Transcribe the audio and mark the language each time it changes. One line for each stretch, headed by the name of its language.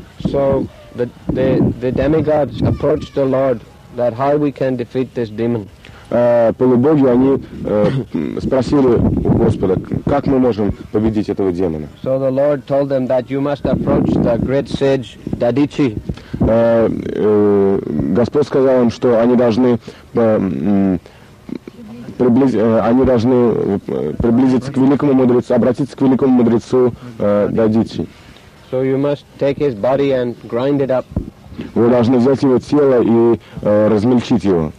English: So the demigods approached the Lord that how we can defeat this demon.
Russian: Полубоги, они спросили у Господа, как мы можем победить этого демона.
English: So the Lord told them that you must approach the great sage Dadichi.
Russian: Господь сказал им, что они должны приблизиться к великому мудрецу, обратиться к великому мудрецу Дадичи.
English: So you must take his body and grind it up.
Russian: Вы должны взять его тело и размельчить его.